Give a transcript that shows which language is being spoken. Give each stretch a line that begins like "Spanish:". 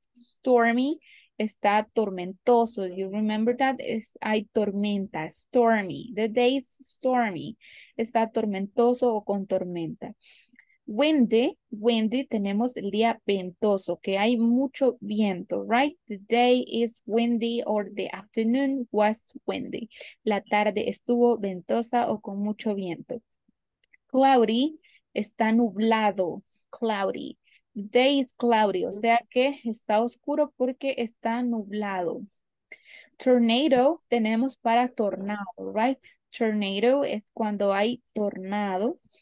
English: Stormy,
Spanish: está tormentoso.
English: You remember that?
Spanish: Hay tormenta,
English: stormy. The day is stormy.
Spanish: Está tormentoso o con tormenta. Windy, windy, tenemos el día ventoso, que hay mucho viento,
English: right? The day is windy or the afternoon was windy.
Spanish: La tarde estuvo ventosa o con mucho viento. Cloudy, está nublado, cloudy.
English: Day is cloudy,
Spanish: o sea que está oscuro porque está nublado. Tornado, tenemos para tornado,
English: right?
Spanish: Tornado es cuando hay tornado.